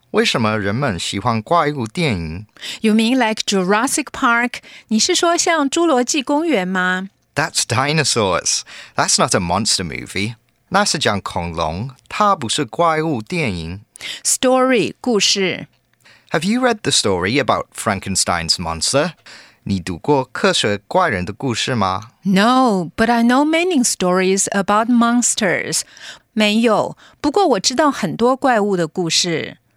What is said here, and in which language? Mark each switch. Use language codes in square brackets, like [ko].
[zh] 为什么人们喜欢怪物电影? [en] You mean like Jurassic Park? [zh] 你是说像侏罗纪公园吗? [en] That's dinosaurs. That's not a monster movie. [zh] 那是讲恐龙，它不是怪物电影。 [en] Story, 故事。 Have you read the story about Frankenstein's monster? [zh] 你读过科学怪人的故事吗？ [en] No, but I know many stories about monsters. [zh] 没有，不过我知道很多怪物的故事。